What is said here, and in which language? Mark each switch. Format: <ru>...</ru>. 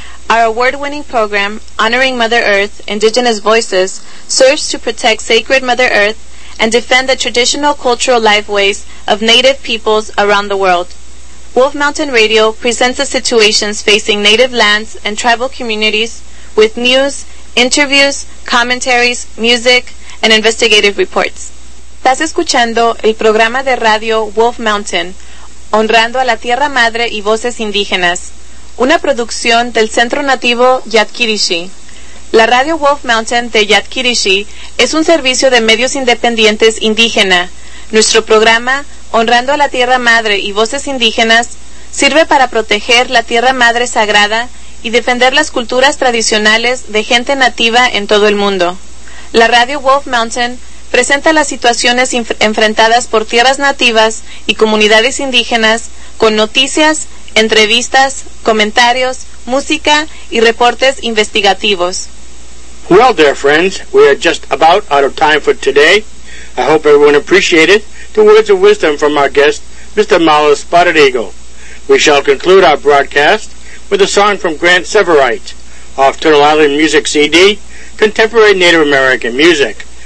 <en>Our award-winning program, Honoring Mother Earth, Indigenous Voices, serves to protect sacred Mother Earth and defend the traditional cultural lifeways of Native peoples around the world. Wolf Mountain Radio presents the situations facing Native lands and tribal communities with news, interviews, commentaries, music, and investigative reports.</en> <es>Estás escuchando el programa de radio Wolf Mountain, honrando a la Tierra Madre y voces indígenas. Una producción del Centro Nativo Yatkidishi. La Radio Wolf Mountain de Yatkidishi es un servicio de medios independientes indígena. Nuestro programa, Honrando a la Tierra Madre y Voces Indígenas, sirve para proteger la Tierra Madre Sagrada y defender las culturas tradicionales de gente nativa en todo el mundo. La Radio Wolf Mountain presenta las situaciones enfrentadas por tierras nativas y comunidades indígenas con noticias, entrevistas, comentarios, música y reportes investigativos.</es> <en>Well, dear friends, we are just about out of time for today. I hope everyone appreciated the words of wisdom from our guest, Mr. Mala Spotted Eagle. We shall conclude our broadcast with a song from Grant Severite off Turtle Island Music CD, Contemporary Native American Music.</en>